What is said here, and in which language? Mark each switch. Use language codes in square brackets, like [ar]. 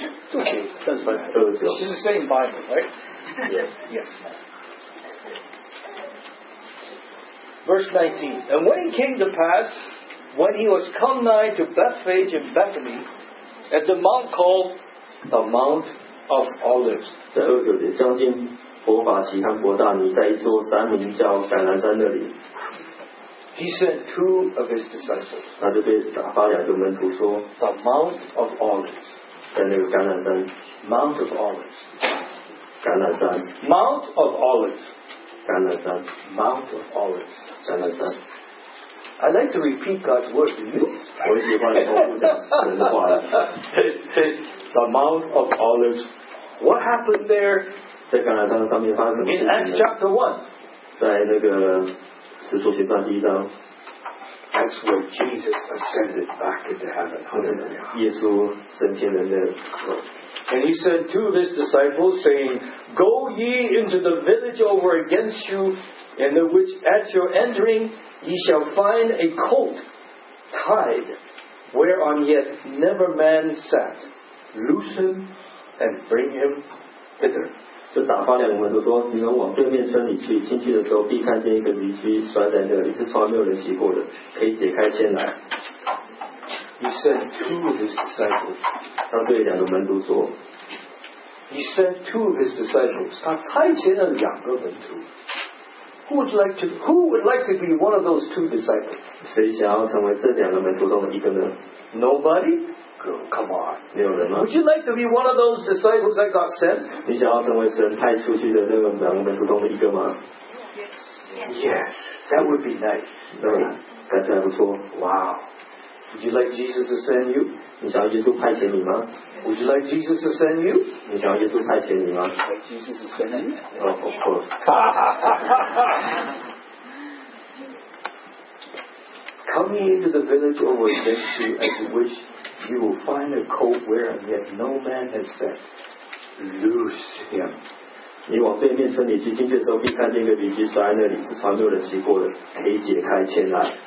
[en] This is the same Bible, right? Yes. Verse 19. And when it came to pass, when he was come nigh to Bethphage and Bethany, at the mount called the Mount of Olives. [zh] 在二十九节，将近伯法其和伯大尼，在一座山名叫橄榄山那里。 [en] He sent two of his disciples. [zh] 那就对打发两个门徒说 [en] ，The Mount of Olives. [zh] 在那个橄榄山 [en] ，Mount of Olives， [zh] 橄榄山 [en] ，Mount of Olives， [zh] 橄榄山 [en] ，Mount of Olives， [zh] 橄榄山。 [en] I like to repeat God's word to you. [zh] 我喜欢重复神的话。 [en] The Mount of Olives， what happened there？ [zh] 在橄榄山上面发生什么事情 [en] ？In Acts chapter one， [zh] 在那个使徒行传第一章。 [en] That's where Jesus ascended back into heaven. [zh] 耶稣升天的那个时候。 [en] And he said to his disciples, saying, Go ye into the village over against you, and in which at your entering ye shall find a colt tied, whereon yet never man sat. Loosen and bring him hither. [zh] 就打发两个门徒说：“你们往对面村里去，进去的时候必看见一个驴驹拴在那里，是从来没有人骑过的，可以解开牵来。” [en] He sent two of his disciples. [zh] 他对两个门徒说 [en] ：“He sent two of his disciples. [zh] 他差遣了两个门徒。 [en] Who would like to be one of those two disciples? [zh] 谁想要成为这两个门徒中的一个呢 [en] ？Nobody.” Come on. Would you like to be one of those disciples that got sent? [zh] 你想要成为神派出去的那个两个门徒中的一个吗 [en] ？Yes. That would be nice. [zh] 对吧？感觉还不错。 [en] Wow. Would you like Jesus to send you? [zh] 你想要耶稣派遣你吗 [en] ？Would you like Jesus to send you? [zh] 你想要耶稣派遣你吗 [en] ？Like Jesus to send you? Oh, of course. Come ye into the village over against you, as you wish. You will find a colt where yet no man has sat. Loose him. [zh] 你往对面村里去，进去的时候必看见一个驴驹拴在那里，是从没有人骑过的，可以解开牵来。